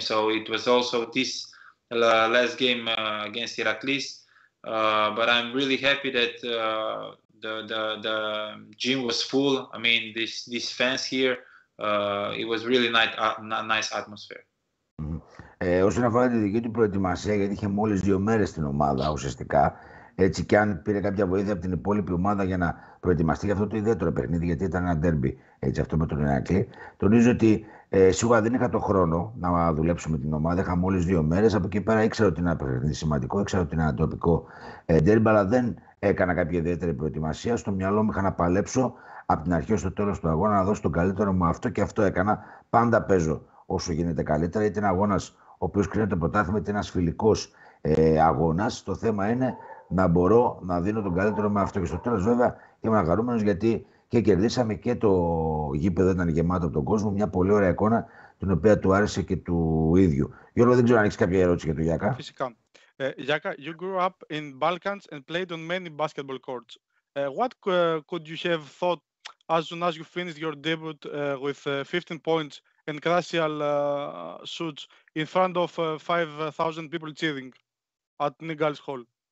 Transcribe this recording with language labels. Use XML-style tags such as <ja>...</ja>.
<en>So it was also this last game against Heracles, but I'm really happy that the gym was full. I mean, this fans here, it was really nice atmosphere.</en> <el>Όσον αφορά τη δική του προετοιμασία, γιατί είχε μόλις 2 μέρες στην ομάδα ουσιαστικά, έτσι και αν πήρε κάποια βοήθεια από την υπόλοιπη ομάδα για να προετοιμαστεί για αυτό το ιδιαίτερο παιχνίδι, γιατί ήταν ένα ντέρμπι, έτσι, αυτό με τον Ηρακλή. Τονίζω ότι Σίγουρα δεν είχα το χρόνο να δουλέψω με την ομάδα. Είχα μόλις 2 μέρες. Από εκεί πέρα ήξερα ότι είναι ένα σημαντικό, ήξερα ότι είναι ένα τοπικό ντέρμπι, αλλά δεν έκανα κάποια ιδιαίτερη προετοιμασία. Στο μυαλό μου είχα να παλέψω από την αρχή ως το τέλος του αγώνα να δώσω τον καλύτερο μου αυτό και αυτό έκανα. Πάντα παίζω όσο γίνεται καλύτερα. Είτε είναι αγώνας ο οποίος κρίνεται το πρωτάθλημα, είτε ένα φιλικό αγώνας. Το θέμα είναι να μπορώ να δίνω τον καλύτερο μου αυτό. Και στο τέλος βέβαια ήμουν χαρούμενος γιατί και κερδίσαμε και το γήπεδο ήταν γεμάτο από τον κόσμο. Μια πολύ ωραία εικόνα την οποία του άρεσε και του ίδιου. Γιώργο, δεν ξέρω αν έχεις κάποια ερώτηση για τον Γιάκα. Φυσικά.</el> <en>Γιάκα, you grew up in Balkans and played on many basketball courts. What could you have thought as soon as you finished your debut with 15 points and crucial shoots in front of 5,000 people cheering at Nigel's Hall?</en>